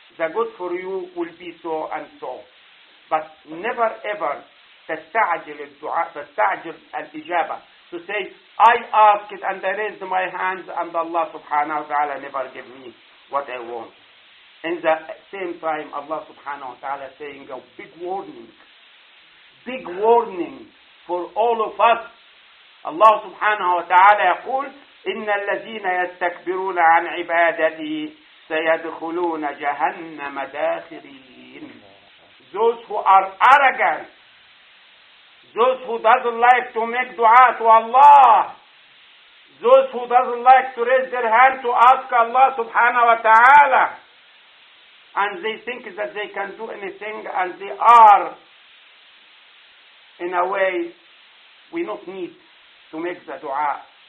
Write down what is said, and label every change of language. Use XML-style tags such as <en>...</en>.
<en>The good for you will be so and so. But never ever</en> <ar>tasta'ajil al-ijaba,</ar> <en>to say, I ask it and I raise my hands and Allah subhanahu wa ta'ala never give me what I want. In the same time, Allah subhanahu wa ta'ala saying a big warning for all of us.</en> <ar>Allah subhanahu wa ta'ala يقول, إِنَّ الَّذِينَ يَسْتَكْبِرُونَ عَنْ عِبَادَتِي سَيَدْخُلُونَ جَهَنَّمَ دَاخِرِينَ.</ar> <en>Those who are arrogant, those who doesn't like to make dua to Allah, those who doesn't like to raise their hand to ask Allah subhanahu wa ta'ala, and they think that they can do anything, and they are, in a way, we don't need to make the dua.</en>